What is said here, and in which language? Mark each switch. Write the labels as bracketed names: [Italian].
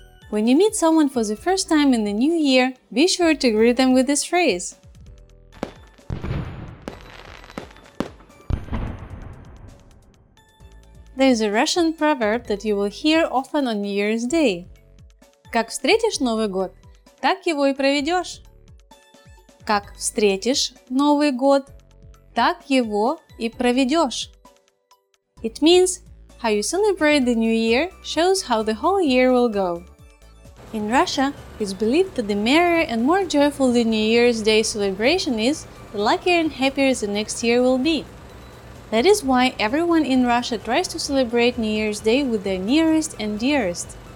[English] When you meet someone for the first time in the new year, be sure to greet them with this phrase. There is a Russian proverb that you will hear often on New Year's Day. [Russian] Как встретишь Новый год, так его и проведешь. Как встретишь Новый год, так его и проведешь. [English] It means how you celebrate the New Year shows how the whole year will go. In Russia, it's believed that the merrier and more joyful the New Year's Day celebration is, the luckier and happier the next year will be. That is why everyone in Russia tries to celebrate New Year's Day with their nearest and dearest.